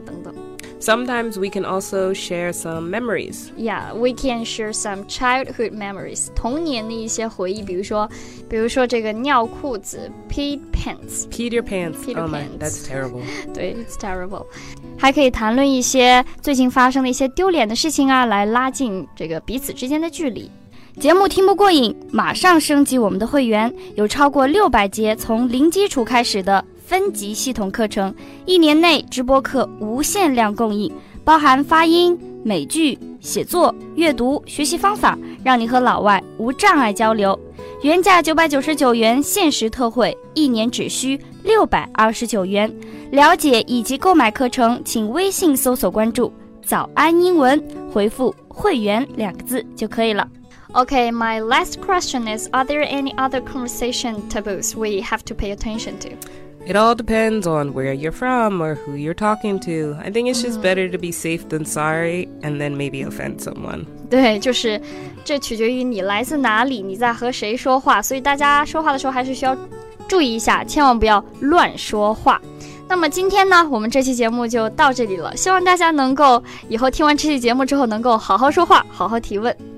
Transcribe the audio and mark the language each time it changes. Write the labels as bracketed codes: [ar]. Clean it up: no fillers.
[zh] 等等。 [en] Sometimes we can also share some memories. Yeah, we can share some childhood memories. [zh] 童年的一些回忆，比如说这个尿裤子 ， peed pants. [en] Peed your pants. Peed your pants. Oh my, that's terrible. 对 it's terrible. [zh] 还可以谈论一些最近发生的一些丢脸的事情啊，来拉近这个彼此之间的距离。节目听不过瘾，马上升级我们的会员，有超过600节从零基础开始的。分级系统课程，一年内直播课无限量供应，包含发音、美剧、写作、阅读、学习方法，让你和老外无障碍交流。原价999元，限时特惠，一年只需629元。了解以及购买课程，请微信搜索关注“早安英文”，回复“会员”两个字就可以了。 [en] Okay, my last question is: Are there any other conversation taboos we have to pay attention to? It all depends on where you're from or who you're talking to. I think it's just better to be safe than sorry and then maybe offend someone. [zh] 对，就是这取决于你来自哪里，你在和谁说话，所以大家说话的时候还是需要注意一下，千万不要乱说话。那么今天呢，我们这期节目就到这里了，希望大家能够以后听完这期节目之后能够好好说话，好好提问。